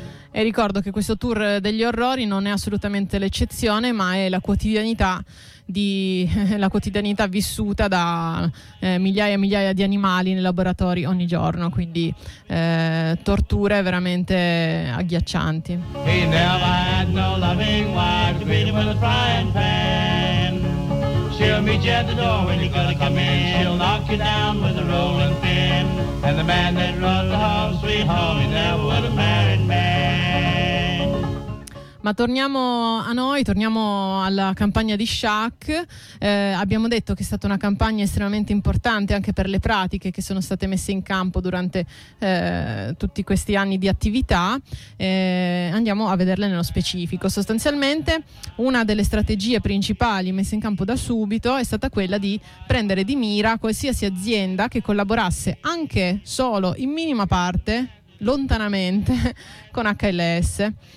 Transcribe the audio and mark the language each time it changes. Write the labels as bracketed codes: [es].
[it] E ricordo che questo tour degli orrori non è assolutamente l'eccezione, ma è la quotidianità vissuta da migliaia e migliaia di animali nei laboratori ogni giorno, quindi torture veramente agghiaccianti. [en] He never had no loving wife, beat him with a frying pan. She'll meet you at the door when you're gonna come in. She'll knock you down with a rolling pin. And the man that runs the home, sweet home, he never would have married me. [it] Ma torniamo a noi, torniamo alla campagna di Shaq. Abbiamo detto che è stata una campagna estremamente importante anche per le pratiche che sono state messe in campo durante tutti questi anni di attività. Andiamo a vederle nello specifico. Sostanzialmente, una delle strategie principali messe in campo da subito è stata quella di prendere di mira qualsiasi azienda che collaborasse anche solo in minima parte, lontanamente, con HLS.